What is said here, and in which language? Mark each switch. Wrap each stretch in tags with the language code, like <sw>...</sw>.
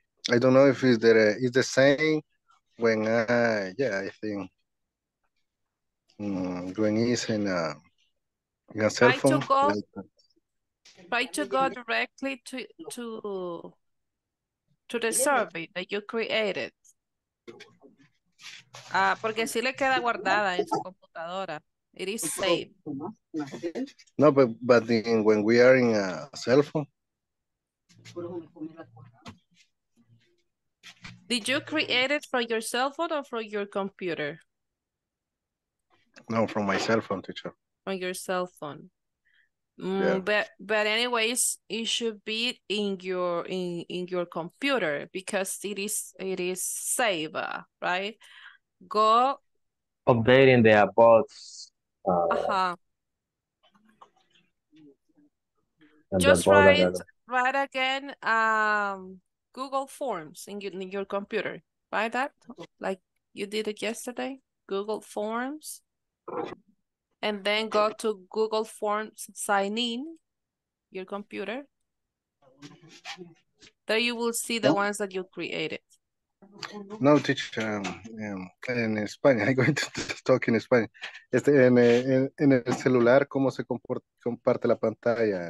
<en>I don't know if it's the same when when it's in a cell phone. Try to go directly to the survey that you created.</en> <es>Ah, porque si le queda guardada en su computadora.</es> <en>It is saved. No, but when we are in a cell phone. Did you create it from your cell phone or from your computer? No, from my cell phone, teacher. From your cell phone. But anyways, it should be in your computer because it is saved, right? Go updating the bots. Uh-huh. just write again Google Forms in your computer. Write that like you did it yesterday, Google Forms, and then go to Google Forms sign in your computer. There you will see the ones that you created. No, teacher,</en> <es>en España,</es> <en>I'm going to talk in Spanish.</en> <es>Este, en el celular, ¿cómo se comparte la pantalla?</es>